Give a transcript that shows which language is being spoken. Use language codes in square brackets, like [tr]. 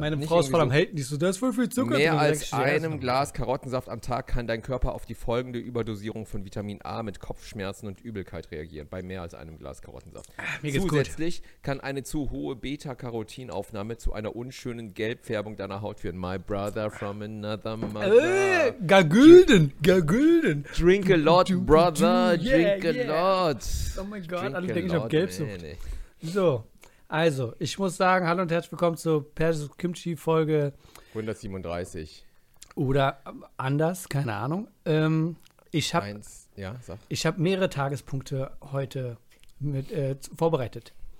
[de] meine Frau ist voll am Haten, die so, da ist voll viel Zucker mehr drin. Als einem Glas Karottensaft am Tag kann dein Körper auf die folgende Überdosierung von Vitamin A mit Kopfschmerzen und Übelkeit reagieren. Bei mehr als einem Glas Karottensaft. Mir geht's zusätzlich gut. Kann eine zu hohe Beta-Carotin-Aufnahme zu einer unschönen Gelbfärbung deiner Haut führen. [en] My brother from another mother. Gagulden. Drink a lot, brother. Drink a lot. [de] Oh mein Gott, alle denken, ich habe Gelbsucht. So. Also, ich muss sagen, hallo und herzlich willkommen zur Persisch Kimchi Folge 137. Oder anders, keine Ahnung. Ich habe mehrere Tagespunkte heute mit vorbereitet.